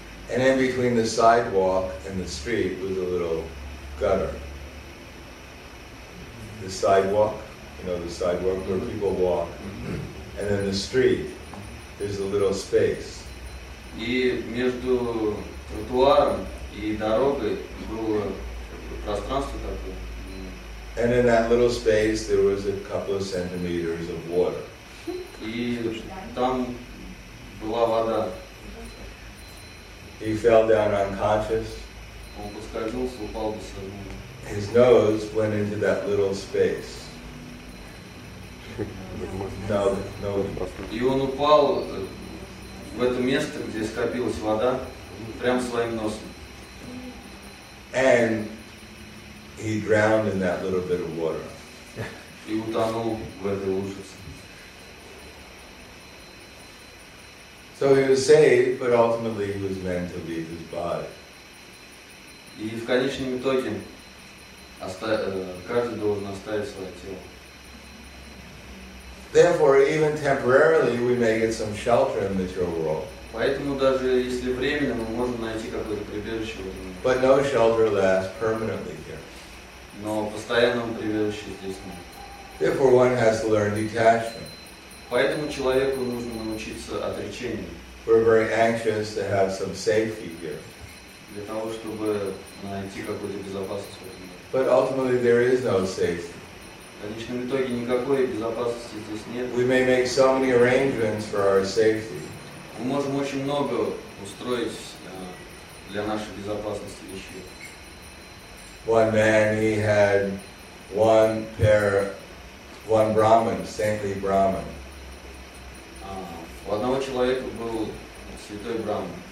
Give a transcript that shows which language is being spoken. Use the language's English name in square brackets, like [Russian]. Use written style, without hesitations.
[English] And in between the sidewalk and the street was a little gutter. The sidewalk, you know, the sidewalk where people walk. And then the street, there's a little space. [Russian] И между тротуаром и дорогой было пространство такое. [English] And in that little space there was a couple of centimeters of water. [Russian] И там была вода. [English] He fell down unconscious. [Russian] Он поскользнулся, упал без сознания. [English] His nose went into that little space. No. [Russian] И он упал в это место, где скопилась вода, прямо своим носом. [English] And he drowned in that little bit of water. [Russian] И утонул в этой лужице. [English] So he was saved, but ultimately he was meant to leave his body. [Russian] И в конечном итоге каждый должен оставить свое тело. [English] Therefore, even temporarily, we may get some shelter in the material world. [Russian] Поэтому даже если временно, мы можем найти какое-то прибежище в этом мире. [English] But no shelter lasts permanently here. [Russian] Но постоянного прибежища здесь нет. [English] Therefore, one has to learn detachment. [Russian] Поэтому человеку нужно научиться отречению. [English] We're very anxious to have some safety here. [Russian] Для того, чтобы найти какую-то безопасность в этом мире. [English] But ultimately, there is no safety. [Russian] В конечном итоге никакой безопасности здесь нет. [English] We may make so many arrangements for our safety. [Russian] Мы можем очень много устроить для нашей безопасности вещей. [English] One man, he had one Brahmin, saintly Brahmin. [Russian] У одного человека был святой Брахман.